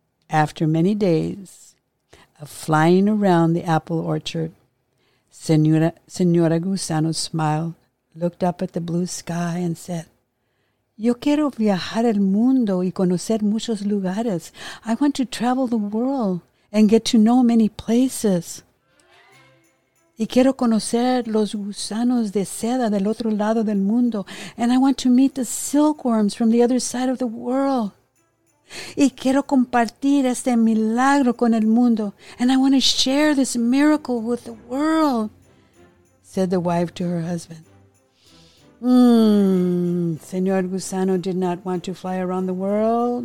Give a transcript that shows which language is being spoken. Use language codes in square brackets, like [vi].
[en] After many days of flying around the apple orchard, Señora Gusano smiled, looked up at the blue sky, and said, [es] Yo quiero viajar el mundo y conocer muchos lugares. [en] I want to travel the world and get to know many places. [es] Y quiero conocer los gusanos de seda del otro lado del mundo. [en] And I want to meet the silkworms from the other side of the world. [es] Y quiero compartir este milagro con el mundo. [en] And I want to share this miracle with the world, said the wife to her husband. Señor Gusano did not want to fly around the world.